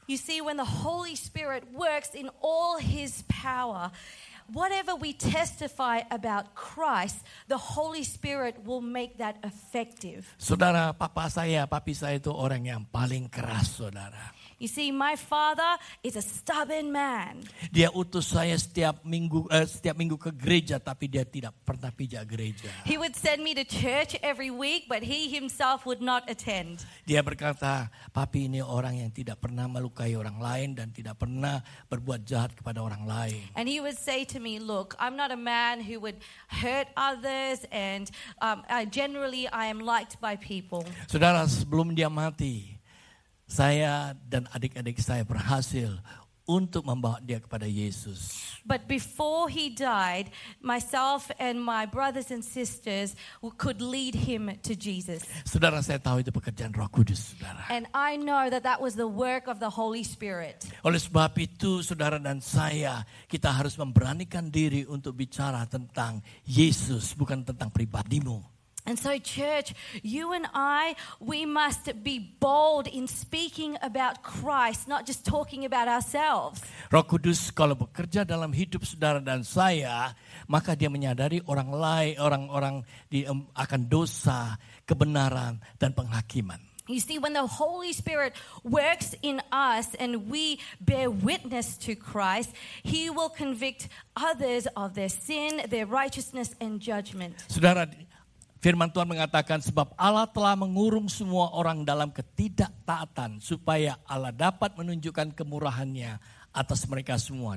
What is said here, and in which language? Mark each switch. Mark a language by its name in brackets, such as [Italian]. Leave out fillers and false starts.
[English] You see, when the Holy Spirit works in all his power, whatever we testify about Christ, the Holy Spirit will make that effective. [Indonesian] Saudara, papi saya itu orang yang paling keras, saudara. [English] You see, my father is a stubborn man. [Indonesian] Dia utus saya setiap minggu ke gereja, tapi dia tidak pernah pijak gereja. [English] He would send me to church every week, but he himself would not attend. [Indonesian] Dia berkata, "Papi ini orang yang tidak pernah melukai orang lain dan tidak pernah berbuat jahat kepada orang lain." [English] And he would say to me, "Look, I'm not a man who would hurt others, and generally I am liked by people." [Indonesian] Saudara, sebelum dia mati, saya dan adik-adik saya berhasil untuk membawa dia kepada Yesus. [English] But before he died, myself and my brothers and sisters could lead him to Jesus. [Indonesian] Saudara, saya tahu itu pekerjaan Roh Kudus, saudara. [English] And I know that that was the work of the Holy Spirit. [Indonesian] Oleh sebab itu, saudara dan saya, kita harus memberanikan diri untuk bicara tentang Yesus, bukan tentang pribadimu. [English] And so, church, you and I, we must be bold in speaking about Christ, not just talking about ourselves. [Indonesian] Roh Kudus kalau bekerja dalam hidup saudara dan saya, maka dia menyadari orang lain, orang-orang akan dosa, kebenaran, dan penghakiman. [English] You see, when the Holy Spirit works in us and we bear witness to Christ, he will convict others of their sin, their righteousness, and judgment. [Indonesian] Saudara, Firman Tuhan mengatakan, "Sebab Allah telah mengurung semua orang dalam ketidaktaatan, supaya Allah dapat menunjukkan kemurahannya atas mereka semua."